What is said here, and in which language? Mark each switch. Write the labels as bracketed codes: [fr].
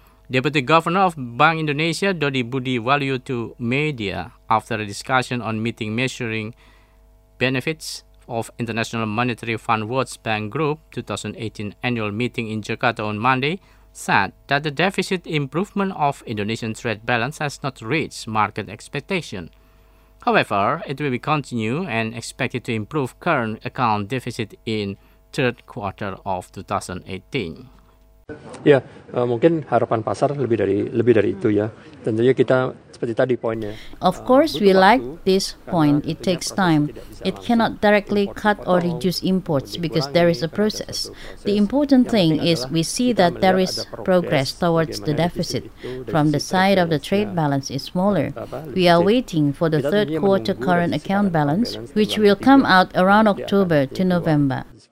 [en] Deputy Governor of Bank Indonesia, Dodi Budi Waluyo, to media after a discussion on meeting measuring benefits of International Monetary Fund World Bank Group 2018 annual meeting in Jakarta on Monday, said that the deficit improvement of Indonesian trade balance has not reached market expectation. However, it will continue and expected to improve current account deficit in third quarter of 2018. [id] Ya, mungkin harapan pasar lebih dari itu ya. Tentunya kita seperti tadi poinnya. [en] Of course, we like this point. It takes time. It cannot directly cut or reduce imports because there is a process. The important thing is we see that there is progress towards the deficit. From the side of the trade balance is smaller. We are waiting for the third quarter current account balance, which will come out around October to November.